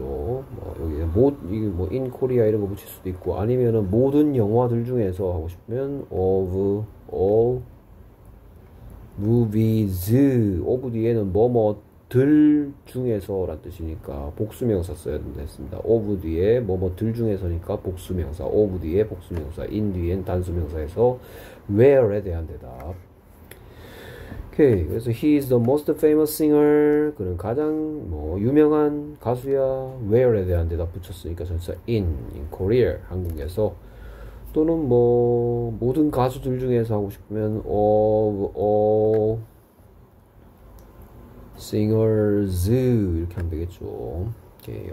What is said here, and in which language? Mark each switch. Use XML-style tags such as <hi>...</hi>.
<ko>뭐 여기 모이뭐 in Korea 이런 거 붙일 수도 있고, 아니면은 모든 영화들 중에서 하고 싶으면 of all movies. of 뒤에는 뭐뭐 들 중에서란 뜻이니까 복수명사 써야 된다 했습니다. of 뒤에 뭐뭐 들 중에서니까 복수명사, of 뒤에 복수명사, in 뒤엔 단수명사에서 where에 대한 대답. 오케이.</ko> <en>그래서 he is the most famous singer.</en> <ko>그는 가장 뭐 유명한 가수야. where에 대한 대답 붙였으니까 전체 in Korea 한국에서. 또는 뭐 모든 가수들 중에서 하고 싶으면 of all singers 이렇게 하면 되겠죠. 오케이.</ko>